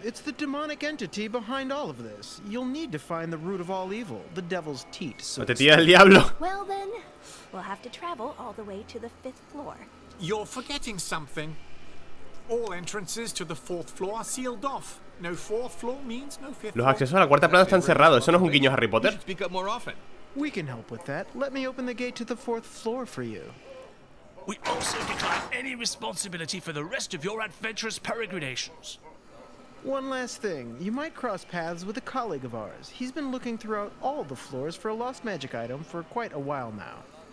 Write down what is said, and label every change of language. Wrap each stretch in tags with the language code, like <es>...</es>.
<en>It's the demonic entity behind all of this. You'll need to find the root of all evil, the devil's teat.</en> <es>Te tira el diablo.</es> <en>Well then, we'll have to travel all the way to the fifth floor. You're forgetting something. All entrances to the fourth floor are sealed off. No fourth floor means no fifth.</en> <es>Los accesos a la cuarta planta están cerrados. Eso no es un guiño a Harry Potter.</es> <en>Speak up more often. We can help with that. Let me open the gate to the fourth floor for you. We also decline any responsibility for the rest of your adventurous peregrinations. One last thing. You might cross paths with a colleague of ours. He's been looking throughout all the floors for a lost magic item for quite a while now.</en>